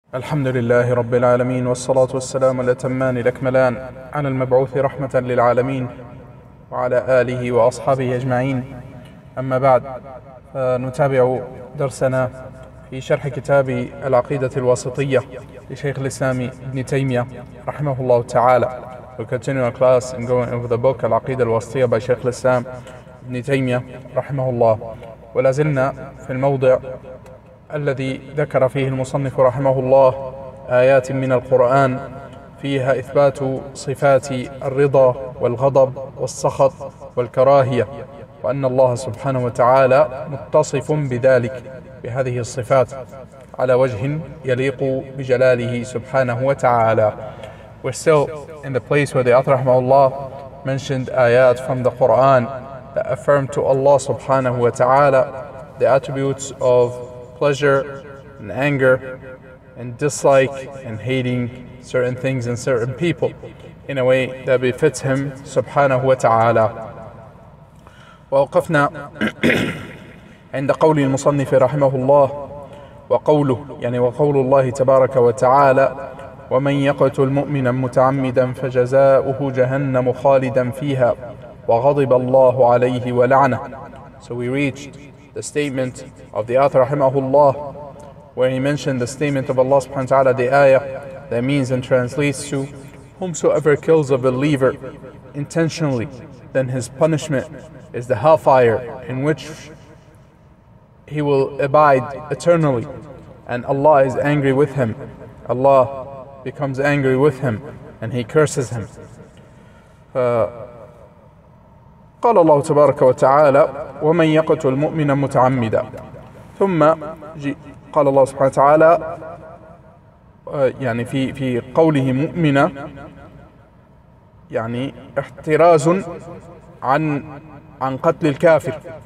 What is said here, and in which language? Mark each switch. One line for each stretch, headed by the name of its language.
Arabic: الحمد لله رب العالمين، والصلاة والسلام الأتمان الأكملان على المبعوث رحمة للعالمين وعلى آله وأصحابه أجمعين. أما بعد، نتابع درسنا في شرح كتاب العقيدة الواسطية لشيخ الإسلام ابن تيمية رحمه الله تعالى.
English: We continue our class and going over the book العقيدة الواسطية by شيخ الإسلام ابن تيمية رحمه الله.
Arabic: ولازلنا في الموضع الذي ذكر فيه المصنف رحمه الله آيات من القرآن فيها إثبات صفات الرضا والغضب والسخط والكراهية، وأن الله سبحانه وتعالى متصف بذلك بهذه الصفات على وجه يليق بجلاله سبحانه وتعالى.
English: We're still in the place where the author رحمه الله mentioned آيات from the Quran that affirm to Allah سبحانه وتعالى the attributes of pleasure and anger and dislike and hating certain things and certain people in a way that befits him سبحانه وتعالى.
Arabic: ووقفنا عند قول المصنف رحمه الله وقوله يعني وقول الله تبارك وتعالى ومن يقتل مؤمنا متعمدا فجزاؤه جهنم خالدا فيها وغضب الله عليه ولعنه.
English: So we reached the statement of the author rahimahullah, where he mentioned the statement of Allah subhanahu wa ta'ala, the ayah that means and translates to whomsoever kills a believer intentionally, then his punishment is the hellfire in which he will abide eternally, and Allah is angry with him. Allah becomes angry with him and he curses him.
Arabic: قال الله تبارك وتعالى ومن يقتل مؤمنا متعمدا، ثم قال الله سبحانه وتعالى يعني في قوله مؤمنا يعني احتراز عن قتل الكافر.